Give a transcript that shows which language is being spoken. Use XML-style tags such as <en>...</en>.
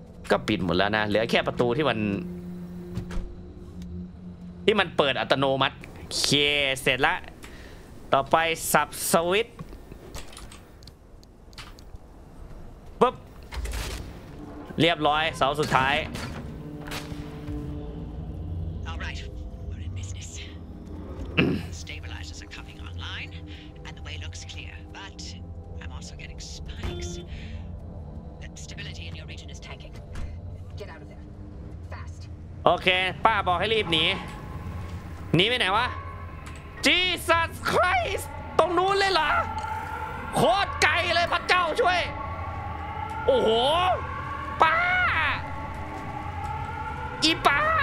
<th>ก็ปิดหมดแล้วนะเหลือแค่ประตูที่มันเปิดอัตโนมัติเคเสร็จละต่อไปสับสวิตปุ๊บเรียบร้อยเสาสุดท้าย</th> <en>alright we're in business stabilizers are coming online and the way looks clear but I'm also getting spikes the stability in your region is tanking get out of there fast</en> <th>โอเคป้าบอกให้รีบหนีไปไหนวะ Jesus Christ ตรงนู้นเลยเหรอโคตรไกลเลยพระเจ้าช่วยโอ้โหป้าอีป้า</th>